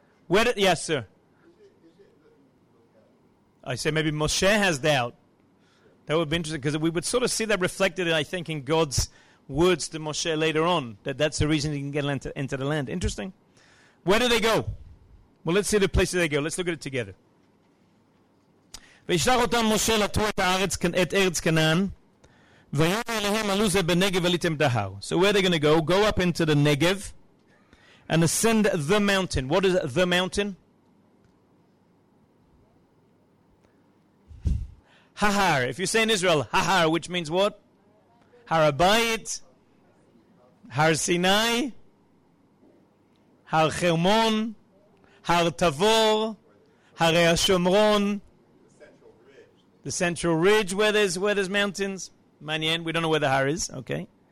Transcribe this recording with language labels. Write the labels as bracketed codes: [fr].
[en] Yes, sir. I say maybe Moshe has doubt. That would be interesting, because we would sort of see that reflected, I think, in God's words to Moshe later on, that that's the reason he can get into the land. Interesting. Where do they go? Well, let's see the places they go. Let's look at it together. [he] וישלח אותם משה לתור את הארץ, את ארץ כנען, ויאמר אליהם, עלו זה בנגב ועליתם את ההר. [en] So where are they going to go? Go up into the Negev and ascend the mountain. What is the mountain? Ahar. If you say in Israel, Ahar, which means what? Har Habayit, Har Sinai, Har Hermon, Har Tavor, Har Hashomron. The central ridge where there's mountains. Manyan, we don't know where the har is. Okay.